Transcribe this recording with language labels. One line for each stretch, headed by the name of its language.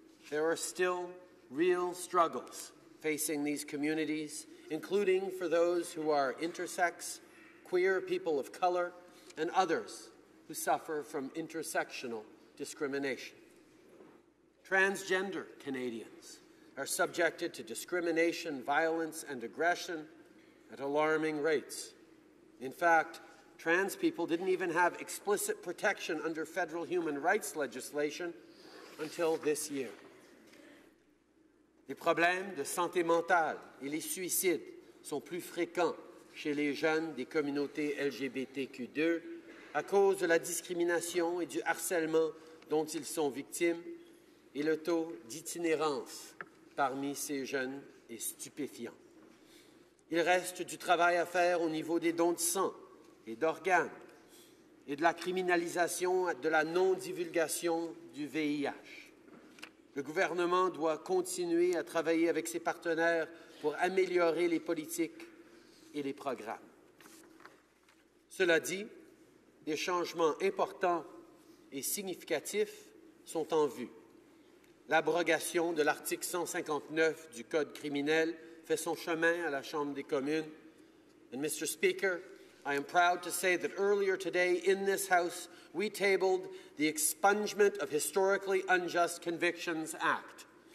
English: There are still real struggles facing these communities, including for those who are intersex, queer people of colour, and others who suffer from intersectional discrimination. Transgender Canadians are subjected to discrimination, violence, and aggression at alarming rates. In fact, trans people didn't even have explicit protection under federal human rights legislation until this year.
French: Les problèmes de santé mentale et les suicides sont plus fréquents chez les jeunes des communautés LGBTQ2 à cause de la discrimination et du harcèlement dont ils sont victimes, et le taux d'itinérance parmi ces jeunes est stupéfiant. Il reste du travail à faire au niveau des dons de sang et d'organes et de la criminalisation de la non-divulgation du VIH. Le gouvernement doit continuer à travailler avec ses partenaires pour améliorer les politiques et les programmes. Cela dit, des changements importants et significatifs sont en vue. L'abrogation de l'article 159 du Code criminel fait son chemin à la Chambre des communes.
English: And Mr. Speaker, I am proud to say that earlier today in this House, we tabled the Expungement of Historically Unjust Convictions Act.